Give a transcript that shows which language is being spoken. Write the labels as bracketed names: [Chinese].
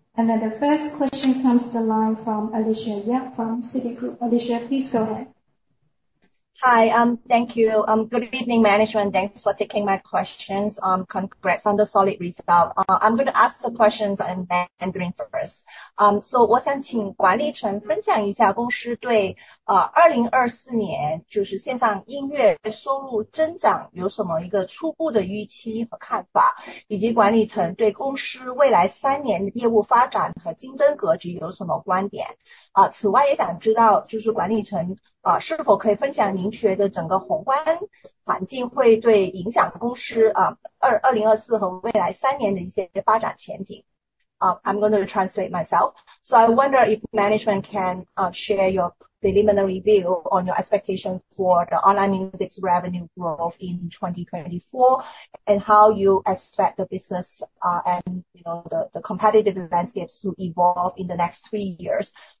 [English] And then the first question comes to line from Alicia Yap from Citigroup. Alicia, please go ahead. Hi, thank you. Good evening, management. Thanks for taking my questions. Congrats on the solid result. I'm going to ask the questions in Mandarin first. [Chinese] So 我想请管理层分享一下公司对2024年就是线上音乐收入增长有什么一个初步的预期和看法，以及管理层对公司未来三年的业务发展和竞争格局有什么观点。此外也想知道就是管理层是否可以分享您觉得整个宏观环境会对影响公司2024和未来三年的一些发展前景。 [English] I'm going to translate myself. So I wonder if management can share your preliminary view on your expectation for the online music's revenue growth in 2024 and how you expect the business and you know, the competitive landscapes to evolve in the next 3 years.